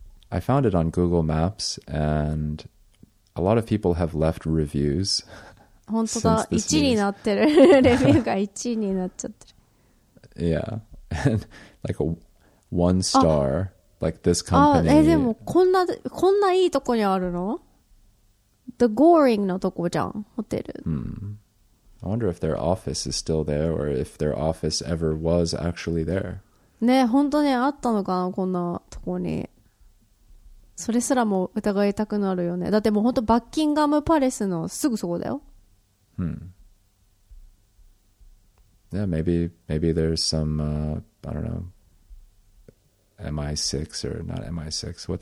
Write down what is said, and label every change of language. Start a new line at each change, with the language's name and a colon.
English: I found it on Google Maps, and a lot of people have left reviews.
Japanese: 本当だ、1になってる。レビューが1になっちゃってる。
English: Yeah, and like one star, like this company.
Japanese: あ、でもこんないいとこにあるの? The Goring のとこじゃん、ホテル。 Mm.
English: I wonder if their office is still there, or if their office ever was actually there.
Japanese: ね、本当にあったのかな、こんなとこに。それすらも疑いたくなるよね。だってもう本当バッキンガムパレスのすぐそこだよ。うん。
English: Yeah, maybe there's some, I don't know, MI6 or not MI6.